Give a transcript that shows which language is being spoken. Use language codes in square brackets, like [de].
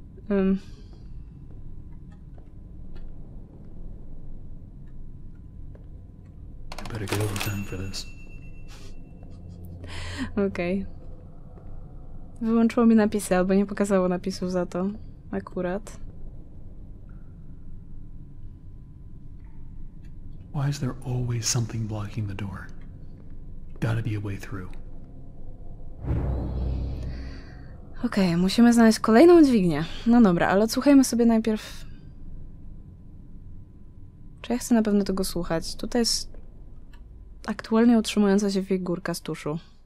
[en] I better get over time for this. [pl] Okej. Wyłączyło mi napisy, albo nie pokazało napisów za to akurat. [en] Why is there always something blocking the door? Gotta be a way through. [pl] Okej, musimy znaleźć kolejną dźwignię. No dobra, ale odsłuchajmy sobie najpierw... Czy ja chcę na pewno tego słuchać? Tutaj jest aktualnie utrzymująca się figurka z tuszu.